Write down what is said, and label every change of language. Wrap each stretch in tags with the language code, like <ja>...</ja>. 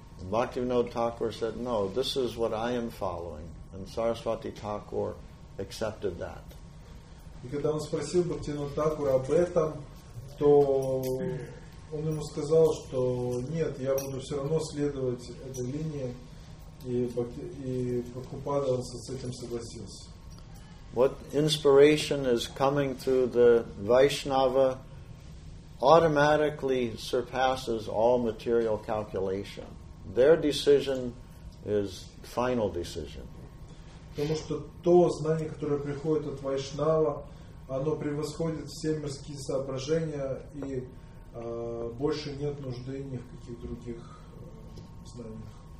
<en>Bhaktivinoda Thakur said, "No, this is what I am following," and Saraswati Thakur accepted that.</en> <ru>И когда он спросил Бхактивинода Такура об этом, то он ему сказал, что нет, я буду все равно следовать этой линии, и Бхактивинода Такура с этим согласился.</ru> <en>What inspiration is coming through the Vaishnava automatically surpasses all material calculation. Their decision is final decision.</en> <ru>Потому что то знание, которое приходит от Вайшнава, оно превосходит все мирские соображения, и больше нет нужды ни в каких других знаниях.</ru>